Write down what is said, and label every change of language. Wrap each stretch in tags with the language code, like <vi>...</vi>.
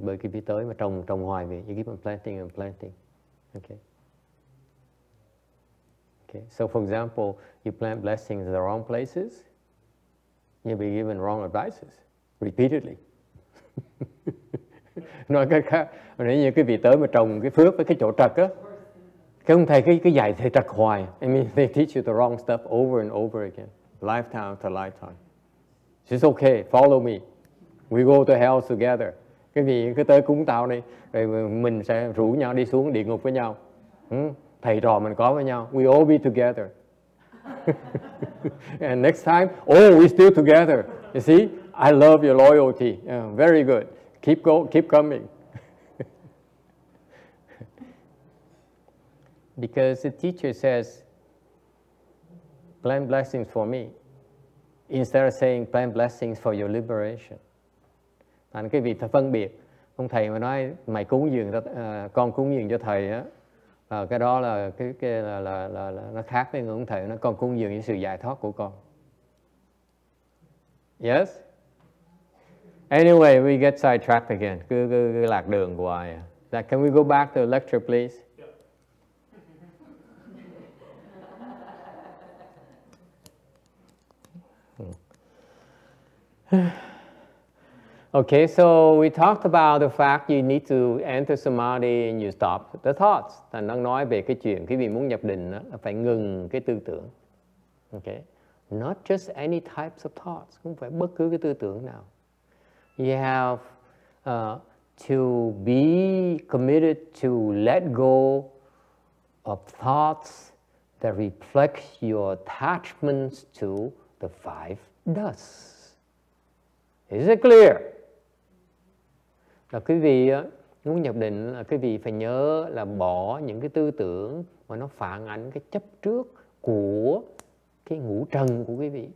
<vi>Bởi khi tới mà trồng hoài vậy,</vi> <en>you keep on planting. Okay. So for example, you plant blessings in the wrong places, you'll be given wrong advices repeatedly.</en> <vi>Nói cách khác, nếu như quý vị tới mà trồng cái phước với cái chỗ trật á, cái ông thầy cứ dạy thầy trật hoài.</vi> <en>I mean, they teach you the wrong stuff over and over again, lifetime to lifetime. It's okay, follow me. We go to hell together.</en> <vi>Cái gì cứ tới cúng tao đi, rồi mình sẽ rủ nhau đi xuống địa ngục với nhau. Thầy trò mình có với nhau.</vi> <en>We all be together. And next time, oh, we still together. You see, I love your loyalty. Yeah, very good. Keep coming. Because the teacher says, plant blessings for me. Instead of saying plant blessings for your liberation.</en> <vi>Thành cái việc phân biệt. Ông thầy mà nói mày cúng dường con cúng dường cho thầy á, cái đó là cái là nó khác với ông thầy, nó con cúng dường những sự giải thoát của con.</vi> <en>Yes. Anyway, we get sidetracked again.</en> <vi>Cứ lạc đường hoài.</vi> <en>Can we go back to the lecture, please? Okay, so we talked about the fact you need to enter samadhi and you stop the thoughts.</en> <vi>Thành đang nói về cái chuyện quý vị muốn nhập định đó, phải ngừng cái tư tưởng.</vi> <en>Okay, not just any types of thoughts,</en> <vi>không phải bất cứ cái tư tưởng nào.</vi> <en>You have to be committed to let go of thoughts that reflect your attachments to the five dusts. Is it clear?</en> <vi>Là quý vị muốn nhập định là quý vị phải nhớ là bỏ những cái tư tưởng mà nó phản ánh cái chấp trước của cái ngũ trần của quý vị.</vi>